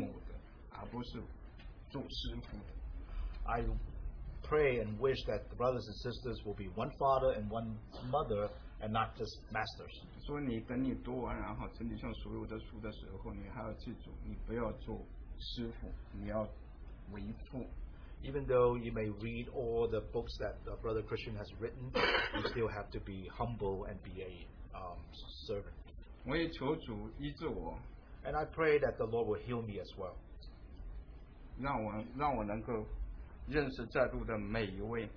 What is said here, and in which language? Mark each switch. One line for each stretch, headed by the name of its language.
Chinese: 我愿在座的每一位弟兄姊妹都能够成为为父的、为母的，而不是做师父的。
English: I pray and wish that the brothers and sisters will be one father and one mother and not just masters.
Chinese: 所以你等你读完，然后整理上所有的书的时候，你还要记住，你不要做师父，你要为父。
English: Even though you may read all the books that Brother Christian has written, you still have to be humble and be a servant.
Chinese: 我也求主医治我。
English: And I pray that the Lord will heal me as well.
Chinese: 让我能够 认识在座的每一位，